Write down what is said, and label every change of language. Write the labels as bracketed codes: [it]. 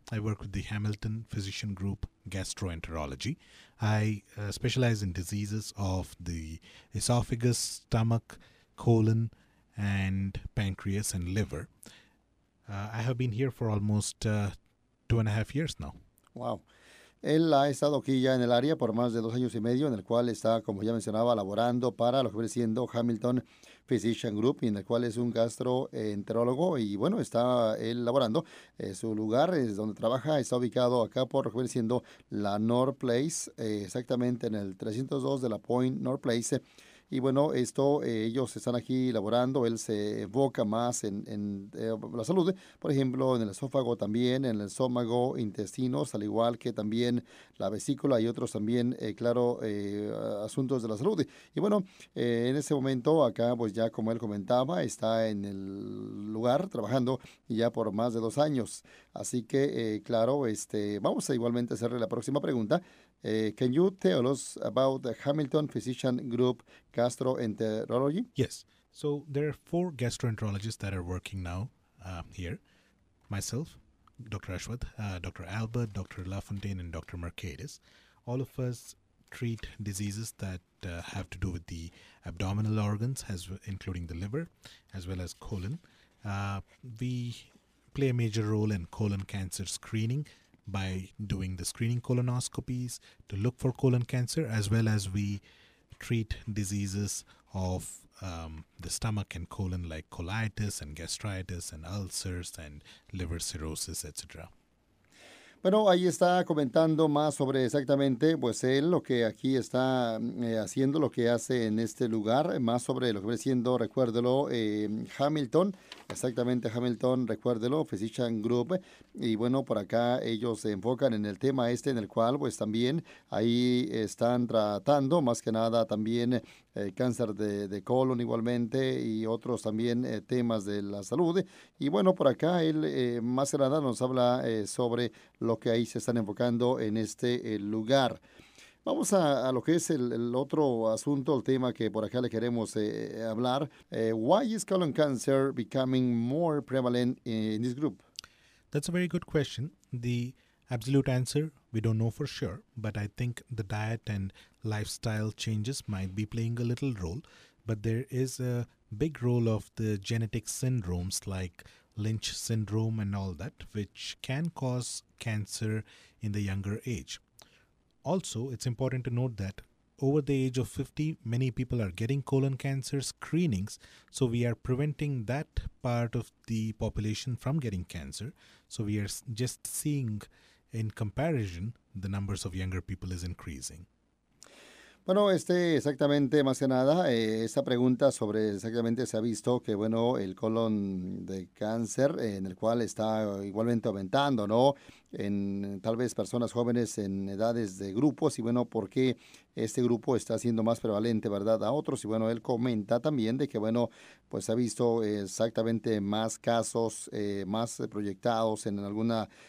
[en] I work with the Hamilton Physician Group Gastroenterology. I specialize in diseases of the esophagus, stomach, colon, and pancreas and liver. I have been here for almost 2.5 years now. Wow. [es] Él ha estado aquí ya en el área por más de 2 años y medio, en el cual está, como ya mencionaba, laborando para lo que viene siendo Hamilton Physician Group, y en el cual es un gastroenterólogo, y bueno, está él laborando. Su lugar es donde trabaja, está ubicado acá por lo que viene siendo la North Place, exactamente en el 302 de la Point North Place. Y bueno, esto, ellos están aquí laborando, él se enfoca más en la salud, por ejemplo, en el esófago también, en el estómago, intestinos, al igual que también la vesícula y otros también, asuntos de la salud. Y bueno, en ese momento acá, pues ya como él comentaba, está en el lugar trabajando ya por más de 2 años. Así que, vamos a igualmente hacerle la próxima pregunta. [en] Can you tell us about the Hamilton Physician Group Gastroenterology? Yes. So there are 4 gastroenterologists that are working now here. Myself, Dr. Ashwat, Dr. Albert, Dr. LaFontaine, and Dr. Mercatus. All of us treat diseases that have to do with the abdominal organs, including the liver, as well as colon. We play a major role in colon cancer screening by doing the screening colonoscopies to look for colon cancer, as well as we treat diseases of the stomach and colon like colitis and gastritis and ulcers and liver cirrhosis, etc. [es] Bueno, ahí está comentando más sobre exactamente, pues él lo que aquí está haciendo, lo que hace en este lugar, más sobre lo que viene siendo, recuérdelo, Hamilton, exactamente Hamilton, recuérdelo, Physician Group, y bueno, por acá ellos se enfocan en el tema este, en el cual pues también ahí están tratando más que nada también cáncer de colon igualmente y otros también temas de la salud. Y bueno, por acá él más que nada nos habla sobre lo que ahí se están enfocando en este lugar. Vamos a lo que es el otro asunto, el tema que por acá le queremos hablar. [en] Why is colon cancer becoming more prevalent in this group? That's a very good question. The absolute answer, we don't know for sure, but I think the diet and lifestyle changes might be playing a little role. But there is a big role of the genetic syndromes like Lynch syndrome and all that, which can cause cancer in the younger age. Also, it's important to note that over the age of 50, many people are getting colon cancer screenings, so we are preventing that part of the population from getting cancer. So we are just seeing, in comparison, the numbers of younger people is increasing. [es] Bueno, exactamente, más que nada, esta pregunta sobre exactamente se ha visto que, bueno, el colon de cáncer en el cual está igualmente aumentando, ¿no? En tal vez personas jóvenes en edades de grupos y, bueno, ¿por qué este grupo está siendo más prevalente, verdad, a otros? Y, bueno, él comenta también de que, bueno, pues se ha visto exactamente más casos, más proyectados en alguna